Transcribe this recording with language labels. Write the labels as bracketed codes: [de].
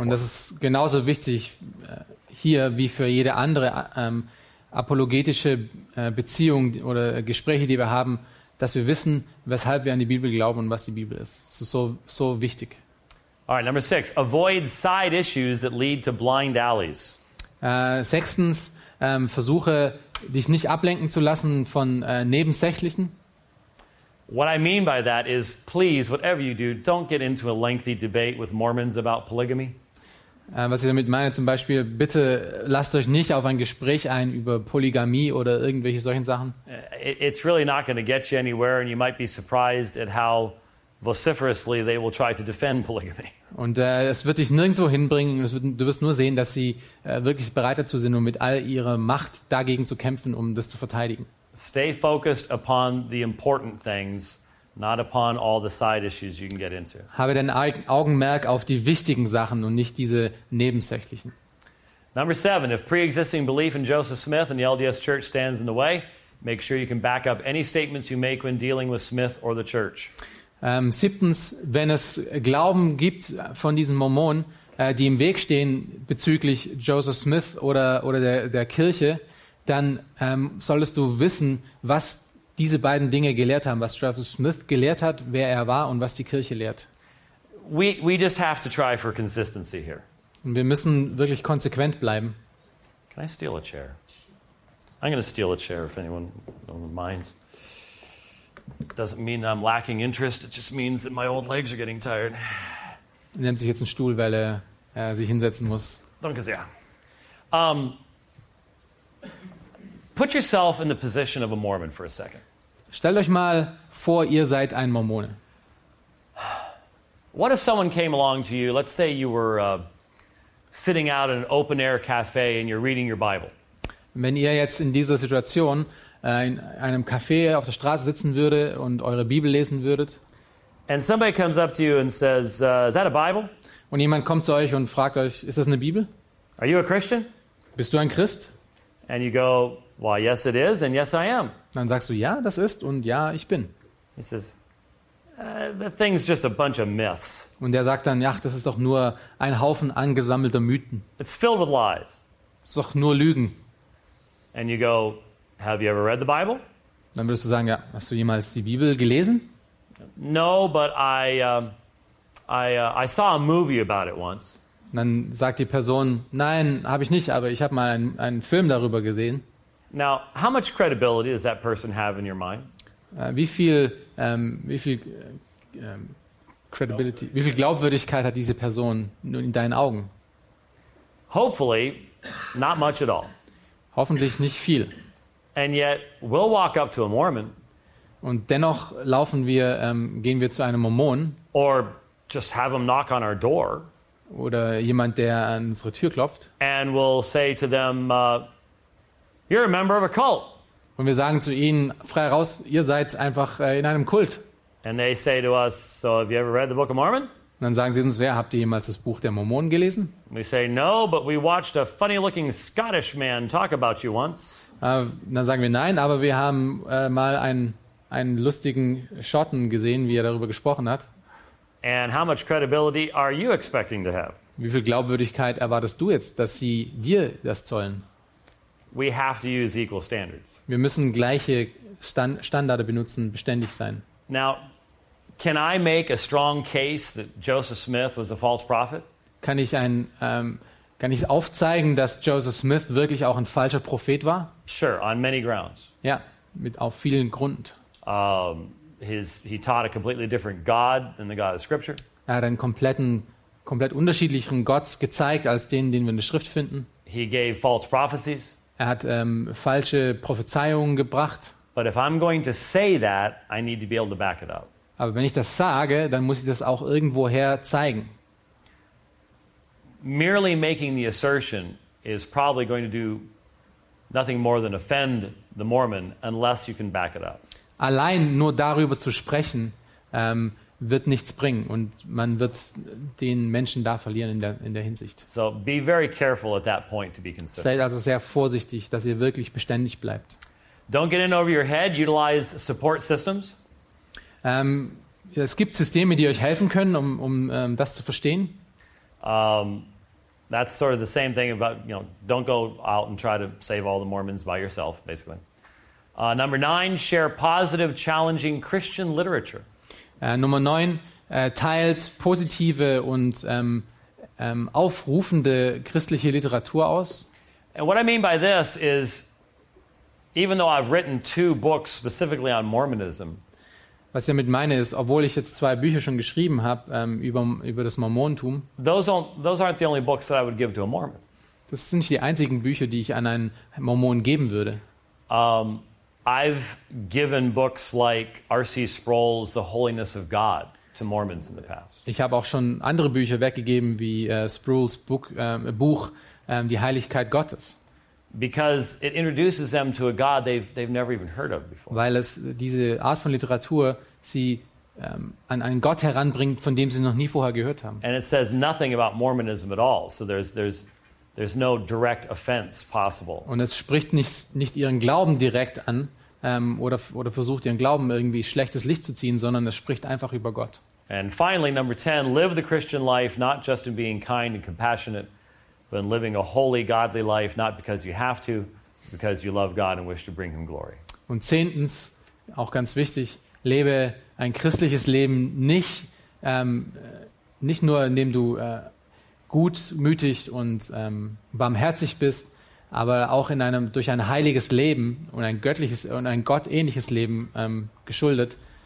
[de] Und das ist genauso wichtig hier wie für jede andere apologetische Beziehung oder Gespräche, die wir haben, dass wir wissen, weshalb wir an die Bibel glauben und was die Bibel ist. Das ist so wichtig. [en] All right, number six, avoid side issues that lead to blind alleys. [de] Sechstens, versuche, dich nicht ablenken zu lassen von Nebensächlichen. [en] What I mean by that is, please, whatever you do, don't get into a lengthy debate with Mormons about polygamy. [de] Was ich damit meine, zum Beispiel, bitte lasst euch nicht auf ein Gespräch ein über Polygamie oder irgendwelche solchen Sachen. [en] It's really not going to get you anywhere, and you might be surprised at how vociferously they will try to defend polygamy. [de] Und es wird dich nirgendwo hinbringen. Du wirst nur sehen, dass sie wirklich bereit dazu sind, um mit all ihrer Macht dagegen zu kämpfen, um das zu verteidigen. [en] Stay focused upon the important things, not upon all the side issues you can get into. [de] Habe dein Augenmerk auf die wichtigen Sachen und nicht diese nebensächlichen. [en] Number seven, if pre-existing belief in Joseph Smith and the LDS Church stands in the way, make sure you can back up any statements you make when dealing with Smith or the Church. [de] Siebtens, wenn es Glauben gibt von diesen Mormonen, die im Weg stehen bezüglich Joseph Smith oder der Kirche, dann solltest du wissen, was diese beiden Dinge gelehrt haben, was Joseph Smith gelehrt hat, wer er war und was die Kirche lehrt. [en] We just have to try for consistency here. [de] Und wir müssen wirklich konsequent bleiben. [en] Can I steal a chair? I'm going to steal a chair if anyone minds. Doesn't mean I'm lacking interest, it just means that my old legs are getting tired. [de] Er nimmt sich jetzt einen Stuhl, weil er sich hinsetzen muss. Danke sehr. [en] Put yourself in the position of a Mormon for a second. [de] Stellt euch mal vor, ihr seid ein Mormone. [en] What if someone came along to you, let's say you were sitting out in an open air cafe and you're reading your Bible. [de] Wenn ihr jetzt in dieser Situation in einem Café auf der Straße sitzen würde und eure Bibel lesen würdet. [en] And somebody comes up to you and says, is that a Bible? [de] Und jemand kommt zu euch und fragt euch, ist das eine Bibel? [en] Are you a Christian? [de] Bist du ein Christ? [en] And you go, well, yes, it is, and yes, I am. [de] Dann sagst du, ja, das ist, und ja, ich bin. [en] He says, the thing's just a bunch of myths. [de] Und er sagt dann, ja, das ist doch nur ein Haufen angesammelter Mythen. [en] It's filled with lies. [de] Es ist doch nur Lügen. [en] And you go, have you ever read the Bible? [de] Dann würdest du sagen, ja, hast du jemals die Bibel gelesen? [en] No, but I saw a movie about it once. [de] Dann sagt die Person, nein, habe ich nicht, aber ich habe mal einen Film darüber gesehen. [en] Now, how much credibility does that person have in your mind? [de] Wie viel Glaubwürdigkeit hat diese Person in deinen Augen? [en] Hopefully, not much at all. [de] Hoffentlich nicht viel. [en] And yet, we'll walk up to a Mormon. [de] Und dennoch laufen wir, gehen wir zu einem Mormon. [en] Or just have him knock on our door. [de] Oder jemand, der an unsere Tür klopft. [en] And we'll say to them, you're a member of a cult. [de] Und wir sagen zu ihnen frei raus, ihr seid einfach in einem Kult. [en] And they say to us, so have you ever read the Book of Mormon? [de] Und dann sagen sie uns, ja, habt ihr jemals das Buch der Mormonen gelesen? [en] We say no, but we watched a funny-looking Scottish man talk about you once. [de] Dann sagen wir nein, aber wir haben mal einen lustigen Schotten gesehen, wie er darüber gesprochen hat. [en] And how much credibility are you expecting to have? [de] Wie viel Glaubwürdigkeit erwartest du jetzt, dass sie dir das zollen? [en] We have to use equal standards. [de] Wir müssen gleiche Standarde benutzen, beständig sein. [en] Now, can I make a strong case that Joseph Smith was a false prophet? [de] Kann ich aufzeigen, dass Joseph Smith wirklich auch ein falscher Prophet war? [en] Sure, on many grounds. [de] Ja, mit auf vielen Grund. [en] He taught a completely different God than the God of Scripture. [de] Er hat einen komplett unterschiedlicheren Gott gezeigt als den wir in der Schrift finden. [en] He gave false prophecies. [de] Er hat falsche Prophezeiungen gebracht. [en] But if I'm going to say that, I need to be able to back it up. [de] Aber wenn ich das sage, dann muss ich das auch irgendwoher zeigen. [en] Merely making the assertion is probably going to do nothing more than offend the Mormon unless you can back it up. [de] Allein nur darüber zu sprechen, wird nichts bringen und man wird den Menschen da verlieren in der Hinsicht. [en] So be very careful at that point to be consistent. [de] Seid also sehr vorsichtig, dass ihr wirklich beständig bleibt. [en] Don't get in over your head, utilize support systems. [de] Es gibt Systeme, die euch helfen können, um das zu verstehen. [en] That's sort of the same thing about, you know, don't go out and try to save all the Mormons by yourself, basically. Number 9, share positive, challenging Christian literature. [de] Nummer 9, teilt positive und aufrufende christliche Literatur aus. [en] And what I mean by this is, even though I've written 2 books specifically on Mormonism. [de] Was ich damit meine ist, obwohl ich jetzt 2 Bücher schon geschrieben habe über das Mormonentum. [en] Those aren't the only books that I would give to a Mormon. [de] Das sind nicht die einzigen Bücher, die ich an einen Mormon geben würde. [en] I've given books like R.C. Sproul's The Holiness of God to Mormons in the past. [de] Ich habe auch schon andere Bücher weggegeben wie Sproul's Buch Die Heiligkeit Gottes. [en] Because it introduces them to a God they've never even heard of before. [de] Weil es diese Art von Literatur sie an einen Gott heranbringt, von dem sie noch nie vorher gehört haben. [en] And it says nothing about Mormonism at all. So there's no direct offense possible. [de] Und es spricht nicht ihren Glauben direkt an oder versucht ihren Glauben irgendwie schlechtes Licht zu ziehen, sondern es spricht einfach über Gott. [en] And finally, number 10, live the Christian life not just in being kind and compassionate, but in living a holy, godly life, not because you have to, because you love God and wish to bring him glory. [de] Und 10, auch ganz wichtig, lebe ein christliches Leben nicht nur, indem du gutmütig und barmherzig bist, aber auch durch ein heiliges Leben und ein göttliches und ein gottähnliches Leben geschuldet.